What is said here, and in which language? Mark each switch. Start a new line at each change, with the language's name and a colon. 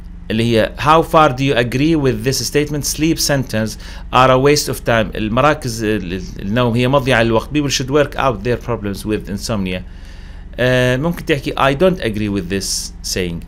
Arabic: اللي هي
English: how far do you agree with this statement? Sleep centers are a waste of time.
Arabic: المراكز النوم هي مضيعة للوقت.
English: People should work out their problems with insomnia.
Arabic: ممكن تحكي
English: I don't agree with this saying.